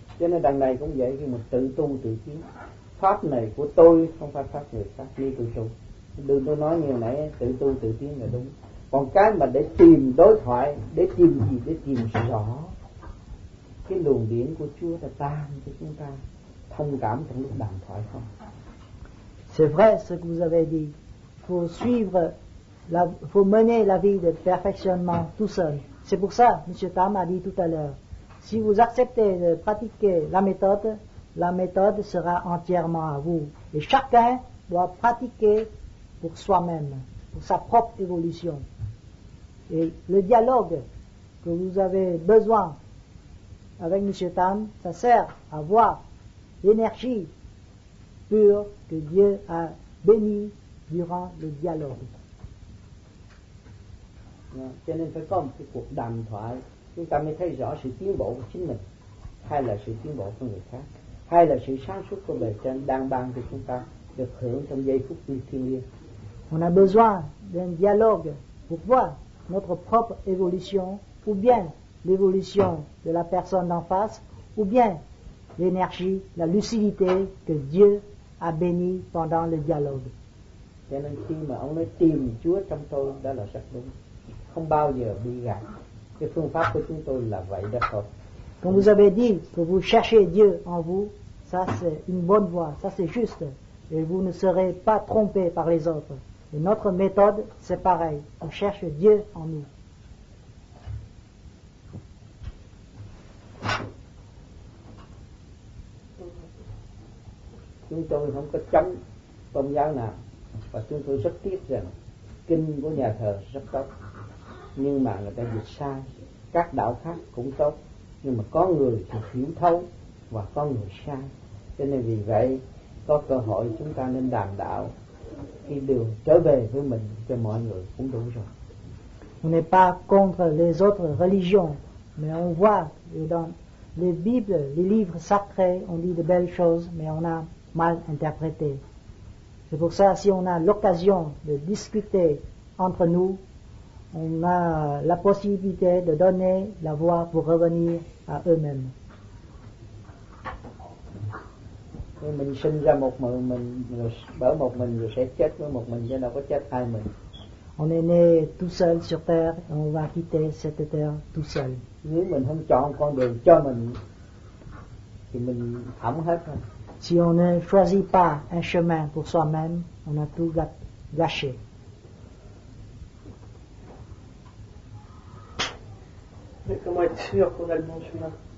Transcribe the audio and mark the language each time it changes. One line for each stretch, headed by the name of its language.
Vietnamese: Cho nên đằng này cũng vậy, khi mà tự tu tự tiến. Pháp này của tôi không phải pháp người khác, như tự tu. Đừng tôi nói như nãy, tự tu tự tiến là đúng. Còn cái mà để tìm đối thoại, để tìm gì, để tìm rõ cái luồng điển của Chúa là tan cho chúng ta thông cảm trong lúc đàm thoại không?
French: C'est vrai ce que vous avez dit. Faut suivre, faut mener la vie de perfectionnement tout seul. C'est pour ça, M. Tam a dit tout à l'heure, si vous acceptez de pratiquer la méthode sera entièrement à vous. Et chacun doit pratiquer pour soi-même, pour sa propre évolution. Et le dialogue que vous avez besoin avec M. Tam, ça sert à voir l'énergie pur que Dieu a béni durant le dialogue.
Vietnamese: Cho nên phải có một cái cuộc đàm thoại, chúng ta mới thấy rõ sự tiến bộ của chính mình hay là sự tiến bộ của người khác, hay là sự sáng suốt của bề trên đang ban cho chúng ta được hưởng trong giây phút thiêng liêng.
French: On a besoin d'un dialogue pour voir notre propre évolution, ou bien l'évolution de la personne d'en face, ou bien l'énergie, la lucidité que Dieu a bénie pendant le dialogue.
Vietnamese: Cho nên khi mà ông nói tìm Chúa trong tôi, đó là sạch đúng, không bao giờ bị gạt. Cái phương pháp của chúng tôi là vậy đó thôi.
French: Quand vous avez dit que vous cherchez Dieu en vous, ça c'est une bonne voie, ça c'est juste. Et vous ne serez pas trompé par les autres. Et notre méthode, c'est pareil. On cherche Dieu en nous.
Vietnamese: Chúng tôi không có chấm tôn giáo nào, và chúng tôi rất tiếc rằng kinh của nhà thờ rất tốt, nhưng mà người ta dịch sai. Các đạo khác cũng tốt, nhưng mà có người thì hiểu thấu và có người sai. Cho nên vì vậy có cơ hội chúng ta nên đàm đạo, khi đường trở về với mình cho mọi người cũng đủ rồi.
French: On n'est pas contre les autres religions, mais on voit dans les Bibles, les livres sacrés, on dit de belles choses, mais on a mal interprété. C'est pour ça, si on a l'occasion de discuter entre nous, on a la possibilité de donner la voie pour revenir à eux-mêmes.
Vietnamese: Nếu mình sinh ra một mình, bởi một mình rồi sẽ chết với một mình, chứ đâu có chết hai mình.
French: On est né tout seul sur terre, on va quitter cette terre tout seul.
Vietnamese: Nếu mình không chọn con đường cho mình, thì mình thẩm hết rồi.
French: Si on ne choisit pas un chemin pour soi-même, on a tout gâché. Mais comment être sûr qu'on a le bon chemin?